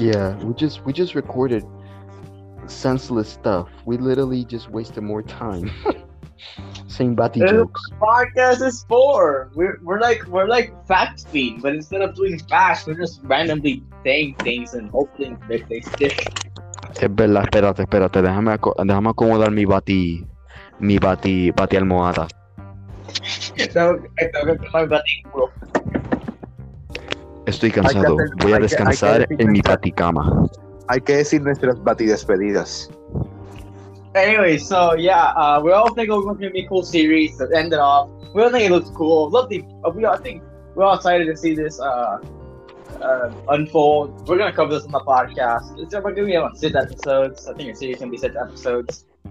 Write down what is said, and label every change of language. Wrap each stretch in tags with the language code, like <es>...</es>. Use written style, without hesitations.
<en>Yeah, we just recorded senseless stuff. We literally just wasted more time saying Bati jokes. Podcast is for we're like fact feed, but instead of doing facts, we're just randomly saying things and hoping that they stick.</en> <es>Es verdad, espérate, déjame acomodar mi bati almohada. Estoy cansado, voy a descansar en mi bati cama. Hay que decir nuestras bati despedidas.</es> <en>Anyway, so yeah, we all think it was going to be a cool series that ended off. We all think it looks cool. I think we're all excited to see this unfold. We're gonna cover this on the podcast. It's gonna be about 6 episodes. I think your series can be 6 episodes.</en>